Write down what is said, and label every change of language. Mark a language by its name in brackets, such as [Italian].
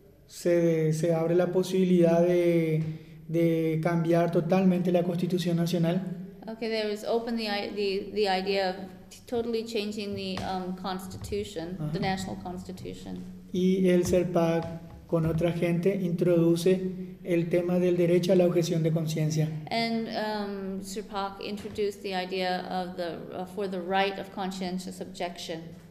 [Spanish] Se abre la posibilidad de cambiar totalmente la Constitución Nacional. [English] Okay, there was open the idea of totally changing the constitution, uh-huh. The national constitution. [Spanish] Y el SERPAC con otra gente introduce el tema del derecho a la objeción de conciencia. [English] And SERPAC introduced the idea of for the right of conscientious objection.